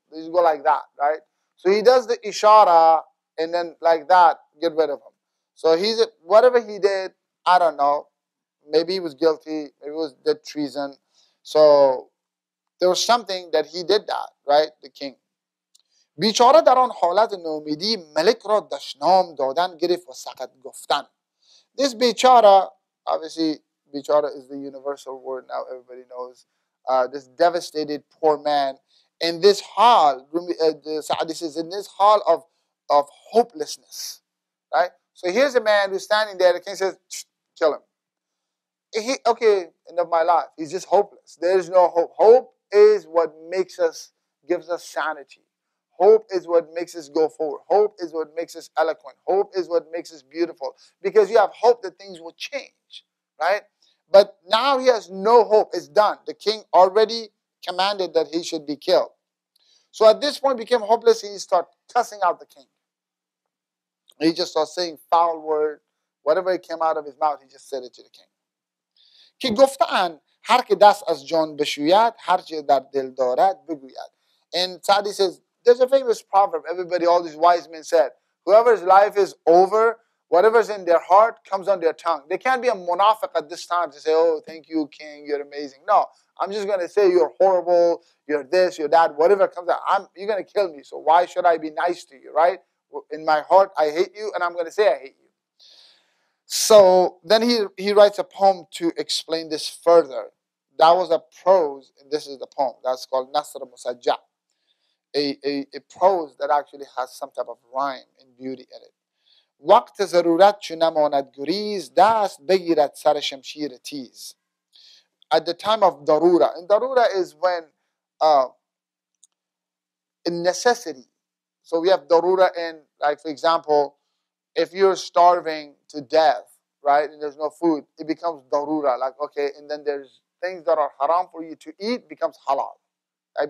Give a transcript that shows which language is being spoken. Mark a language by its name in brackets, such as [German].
[English] They just go like that, right? So he does the ishara and then like that, get rid of him. So he's whatever he did, I don't know. Maybe he was guilty, maybe it was dead treason. So there was something that he did that, right? The king. [Persian] بیچاره در آن حالت نومیدی ملک را دشنام دادن گرفت و سقط گفتن. [English] This بیچاره, obviously, بیچاره is the universal word now, everybody knows. This devastated poor man. In this hall, the Saadi says, in this hall of hopelessness, right? So here's a man who's standing there, the king says, kill him. End of my life. He's just hopeless. There's no hope. Hope is what makes us, gives us sanity. Hope is what makes us go forward. Hope is what makes us eloquent. Hope is what makes us beautiful. Because you have hope that things will change, right? But now he has no hope. It's done. The king already commanded that he should be killed. So at this point, became hopeless. He started cussing out the king. He just started saying foul word. Whatever came out of his mouth, he just said it to the king. [Persian] که گفتن هر که دست از جان بشوید هر چی در دل دارد بگوید. [English] And Saadi says, there's a famous proverb. Everybody, all these wise men said, whoever's life is over, whatever's in their heart comes on their tongue. They can't be a munafiq at this time to say, oh, thank you, king, you're amazing. No, I'm just going to say you're horrible, you're this, you're that, whatever comes out. You're going to kill me, so why should I be nice to you, right? In my heart, I hate you, and I'm going to say I hate you. So then he writes a poem to explain this further. That was a prose, and this is the poem. That's called Nasr Musajja, a prose that actually has some type of rhyme and beauty in it. [Persian] وقت ضرورت چو نماند گریز دست بگیرد سر شمشیر تیز. [English] At the time of darura, and darura is when in necessity. So we have darura in, like, for example, if you're starving to death, right, and there's no food, it becomes darura. Like, okay, and then there's things that are haram for you to eat becomes halal, right?